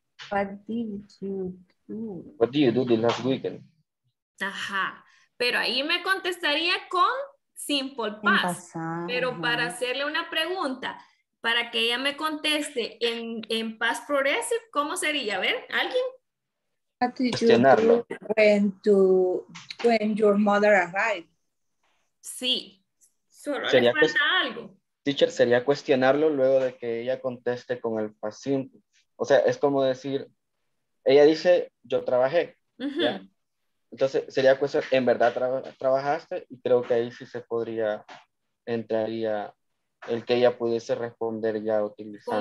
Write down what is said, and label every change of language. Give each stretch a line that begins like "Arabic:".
English: What did you do? What did you do the last weekend?
Spanish: Ajá. Pero ahí me contestaría con simple past. Pero para hacerle una pregunta, para que ella me conteste en past progressive, ¿cómo sería? A ver, ¿alguien?
English: What did you do when your mother arrived?
Spanish: Sí. Solo sería le falta algo. Teacher, sería cuestionarlo luego de que ella conteste con el past simple. O sea, es como decir, ella dice, yo trabajé. Uh-huh. Entonces, sería cuestión, ¿en verdad trabajaste? Y creo que ahí sí se podría, entraría el que ella pudiese responder ya utilizando.